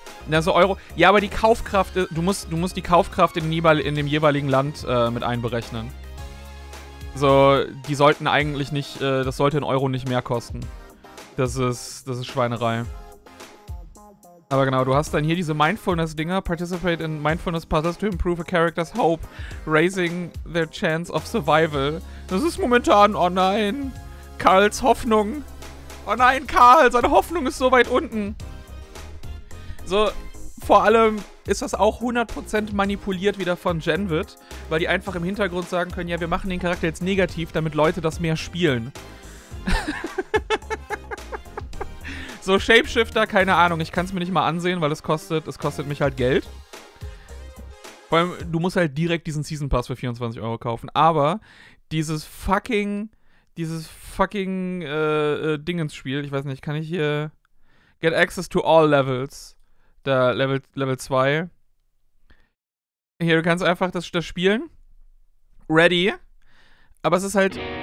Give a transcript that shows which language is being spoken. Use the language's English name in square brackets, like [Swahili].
[German] Also Euro. Ja, aber die Kaufkraft, du musst die Kaufkraft in dem jeweiligen Land mit einberechnen. So, die sollten eigentlich nicht, das sollte in Euro nicht mehr kosten. Das ist Schweinerei. Aber genau, du hast dann hier diese Mindfulness-Dinger. [English] Participate in Mindfulness-Puzzles to improve a character's hope, raising their chance of survival. [German] Das ist momentan, oh nein, Karls Hoffnung. Oh nein, Karl, seine Hoffnung ist so weit unten. So, vor allem ist das auch 100% manipuliert wieder von Genvid, weil die einfach im Hintergrund sagen können, ja, wir machen den Charakter jetzt negativ, damit Leute das mehr spielen. So, Shapeshifter, keine Ahnung, ich kann es mir nicht mal ansehen, weil es kostet mich halt Geld. Vor allem, du musst halt direkt diesen Season Pass für 24 Euro kaufen, aber dieses fucking Dingensspiel, ich weiß nicht, kann ich hier... [English] Get access to all levels. [German] Da, Level 2. Hier, du kannst einfach das spielen. Ready. Aber es ist halt...